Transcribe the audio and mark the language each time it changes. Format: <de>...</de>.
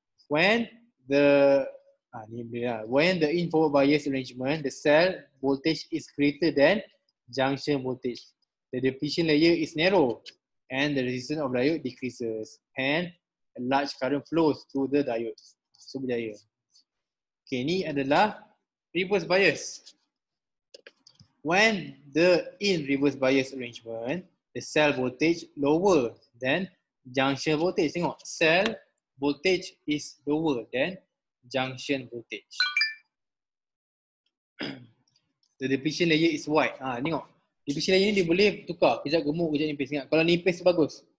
<en>When the when the in forward bias arrangement, the cell voltage is greater than junction voltage, the depletion layer is narrow and the resistance of diode decreases and a large current flows through the diode.</en> <ms>So berjaya. Okay, ni adalah reverse bias.</ms> <en>When the in reverse bias arrangement, the cell voltage lower than junction voltage.</en> <ms>Tengok,</ms> <en>cell voltage is lower than junction voltage. The depletion layer is wide.</en> <ms>Ah, tengok. Depletion layer ni dia boleh tukar. Kejap gemuk, kejap nipis. Ingat, kalau nipis bagus.</ms>